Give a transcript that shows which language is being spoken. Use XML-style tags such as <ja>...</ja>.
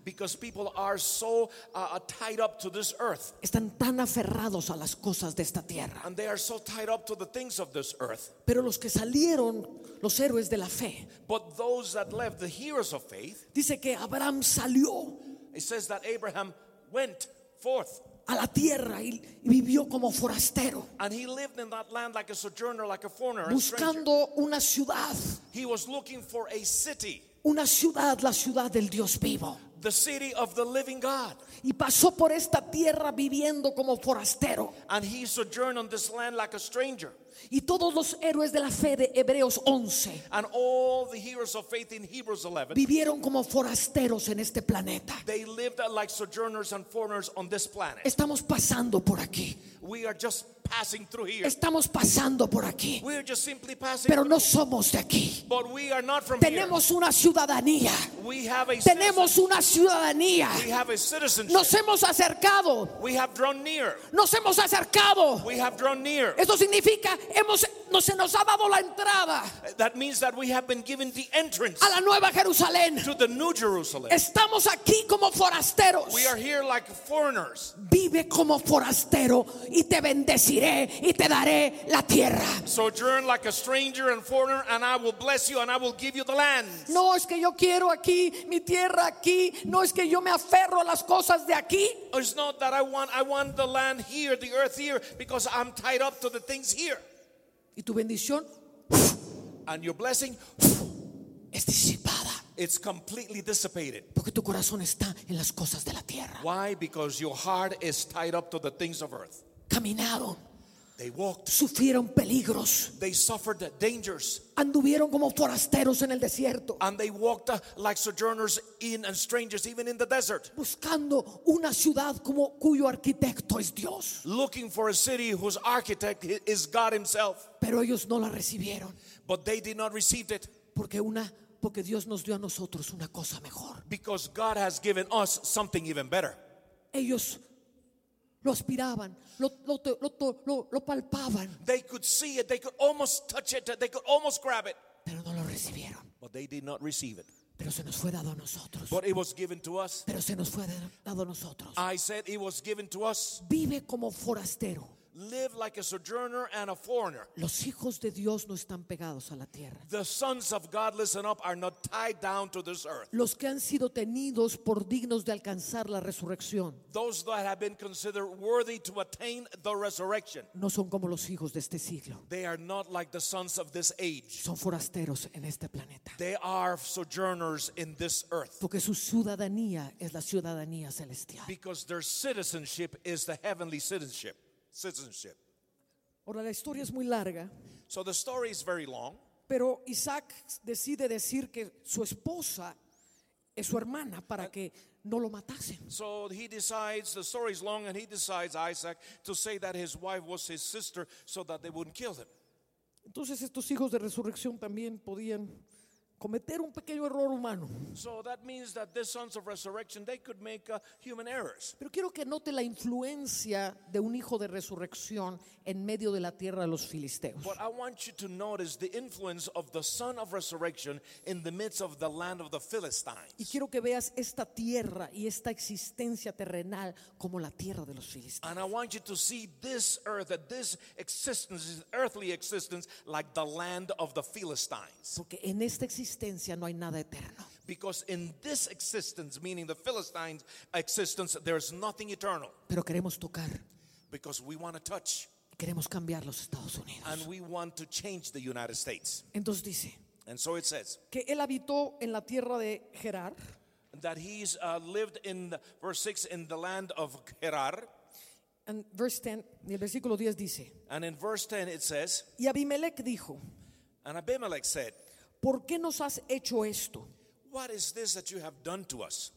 <en>Because people are so tied up to this earth.</en> <es>Están tan aferrados a las cosas de esta tierra.</es> <en>And they are so tied up to the things of this earth.</en> <es>Pero los que salieron, los héroes de la fe.</es> <en>But those that left, the heroes of faith.</en> <es>Dice que Abraham salió.</es> <en>It says that Abraham went forth.</en> <es>A la tierra y vivió como forastero.</es> <en>And he lived in that land like a sojourner, like a foreigner.</en> <es>Buscando una ciudad.</es> <en>He was looking for a city.</en> <es>Una ciudad, la ciudad del Dios vivo.</es> <en>The city of the living God.</en> <es>Y pasó por esta tierra viviendo como forastero.</es> <en>And he sojourned on this land like a stranger.</en> <es>Y todos los héroes de la fe de Hebreos 11.</es> <en>And all the heroes of faith in Hebrews 11.</en> <es>Vivieron como forasteros en este planeta.</es> <en>They lived like sojourners and foreigners on this planet.</en> <es>Estamos pasando por aquí.</es> <en>We are just passing through here.</en> <es>Estamos pasando por aquí.</es> <en>We are just simply passing.</en> <es>Pero no somos de aquí.</es> <en>But we are not from</en> <es>Tenemos</es> <en>here.</en> <es>Una ciudadanía.</es> <en>We have a</en> <es>Tenemos una ciudadanía.</es> <en>We have a citizenship.</en> <es>Nos hemos acercado.</es> <en>We have drawn near.</en> <es>Nos hemos acercado.</es> <en>We have drawn near.</en> <es>Esto significa se nos ha dado la entrada.</es> <en>That means that we have been given the entrance.</en> <es>A la nueva Jerusalén.</es> <en>To the new Jerusalem.</en> <es>Estamos aquí como forasteros.</es> <en>We are here like foreigners.</en> <es>Vive como forastero y te bendeciré y te daré la tierra.</es> <en>Sojourn like a stranger and foreigner, and I will bless you and I will give you the land.</en> <es>No es que yo quiero aquí mi tierra aquí. No es que yo me aferro a las cosas de aquí.</es> <en>It's not that I want the land here, the earth here, because I'm tied up to the things here.</en> <es>Y tu bendición,</es> <en>and your blessing,</en> <es>es disipada.</es> <en>It's completely dissipated.</en> <es>Porque tu corazón está en las cosas de la tierra.</es> <en>Why? Because your heart is tied up to the things of earth.</en> <es>Caminaron.</es> <en>They walked.</en> <es>Sufrieron peligros.</es> <en>They suffered dangers.</en> <es>Anduvieron como forasteros en el desierto.</es> <en>And they walked like sojourners in and strangers even in the desert.</en> <es>Buscando una ciudad como cuyo arquitecto es Dios.</es> <en>Looking for a city whose architect is God himself.</en> <es>Pero ellos no la recibieron.</es> <en>But they did not receive it.</en> <es>Porque Dios nos dio a nosotros una cosa mejor.</es> <en>Because God has given us something even better.</en> <es>Ellos lo aspiraban, lo palpaban.</es> <en>They could see it, they could almost touch it, they could almost grab it.</en> <es>Pero no lo recibieron.</es> <en>But they did not receive it.</en> <es>Pero se nos fue dado a nosotros.</es> <en>But it was given to us.</en> <es>Pero se nos fue dado a nosotros.</es> <en>I said it was given to us.</en> <es>Vive como forastero.</es> <en>Live like a sojourner and a foreigner.</en> <es>Los hijos de Dios no están pegados a la tierra.</es> <en>The sons of God, listen up, are not tied down to this earth.</en> <es>Los que han sido tenidos por dignos de alcanzar la resurrección.</es> <en>Those that have been considered worthy to attain the resurrection.</en> <es>No son como los hijos de este siglo.</es> <en>They are not like the sons of this age.</en> <es>Son forasteros en este planeta.</es> <en>They are sojourners in this earth.</en> <es>Porque su ciudadanía es la ciudadanía celestial.</es> <en>Because their citizenship is the heavenly citizenship. Citizenship.</en> <es>Ahora la historia es muy larga.</es> <en>So the story is very long.</en> <es>Pero Isaac decide decir que su esposa es su hermana para que no lo matasen.</es> <en>So he decides, the story is long, and he decides, Isaac, to say that his wife was his sister so that they wouldn't kill him.</en> <es>Entonces estos hijos de resurrección también podían cometer un pequeño error humano.</es> <en>So that means that these sons of resurrection, they could make human errors.</en> <es>Pero quiero que note la influencia de un hijo de resurrección en medio de la tierra de los filisteos.</es> <en>But I want you to notice the influence of the son of resurrection in the midst of the land of the Philistines.</en> <es>Y quiero que veas esta tierra y esta existencia terrenal como la tierra de los filisteos.</es> <en>And I want you to see this earth, this existence, this earthly existence, like the land of the Philistines.</en> <es>Porque en esta existencia no hay nada eterno.</es> <en>Because in this existence, meaning the Philistines' existence, there is nothing eternal.</en> <es>Pero queremos tocar.</es> <en>Because we want to touch.</en> <es>Queremos cambiar los Estados Unidos.</es> <en>And we want to change the United States.</en> <es>Entonces dice.</es> <en>And so it says.</en> <es>Que él habitó en la tierra de Gerar.</es> <en>That he's lived in the, verse 6 in the land of Gerar. And verse 10,</en> <es>en el versículo 10 dice.</es> <en>And in verse 10 it says.</en> <es>Y Abimelech dijo.</es> <en>And Abimelech said.</en> <es>¿Por qué nos has hecho esto?</es> <en>What is this that you have done to us?</en>